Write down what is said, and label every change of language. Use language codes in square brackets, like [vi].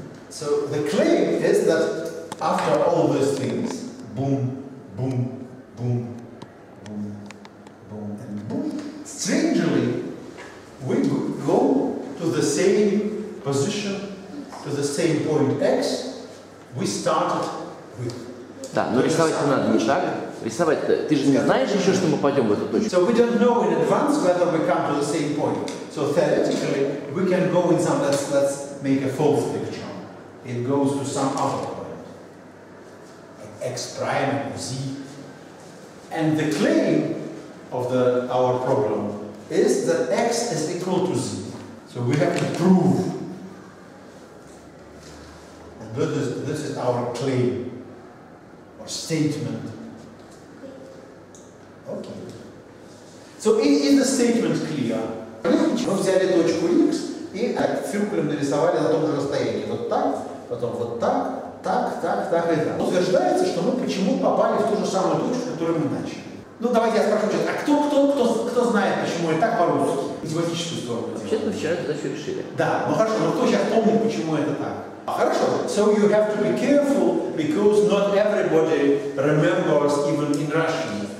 [en] So the claim is that after all those things, boom, boom, boom, boom, boom, and boom, strangely, position to the same point X we started with. [ru] Да, но рисовать надо не так. Рисовать, ты же не знаешь еще, что мы пойдем в эту точку. [en] So we don't know in advance whether we come to the same point. So theoretically we can go in some, let's make a false picture. It goes to some other point, like X prime or Z. And the claim of the our problem is that X is equal to Z. So we have to prove. And this is our claim. Statement. Okay. So is the statement clear? [ru] Мы взяли точку X и циркулем нарисовали на том же расстоянии. Вот так, потом вот так, так, так, так и так. Утверждается, что мы почему попали в ту же самую точку, которую мы начали. Ну давайте я спрошу сейчас, а кто знает, почему это так по-русски? Математическую сторону. Вообще-то вчера это все решили. Да, ну хорошо, но кто сейчас помнит, почему это так? Хорошо. [en] So you have to be careful because not everybody remembers even in Russian.